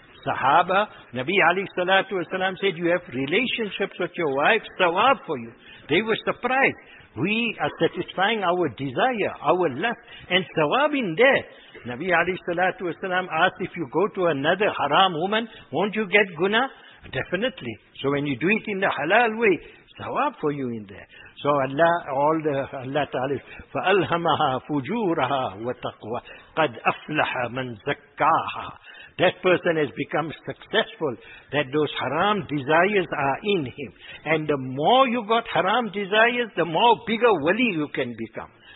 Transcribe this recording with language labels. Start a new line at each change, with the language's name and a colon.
English: Sahaba, Nabi Ali Salatu Wasalam said, you have relationships with your wife, sawab for you. They were surprised. We are satisfying our desire, our lust, and sawab in there. Nabi Ali Salatu Wasalam asked, if you go to another haram woman, won't you get guna? Definitely. So when you do it in the halal way, sawab for you in there. So Allah Ta'ala is,
Arabic: فَأَلْهَمَهَا فُجُورَهَا وَتَقْوَى قَدْ أَفْلَحَ مَنْ زَكَّاهَا.
English: That person has become successful, that those haram desires are in him. And the more you got haram desires, the more bigger wali you can become.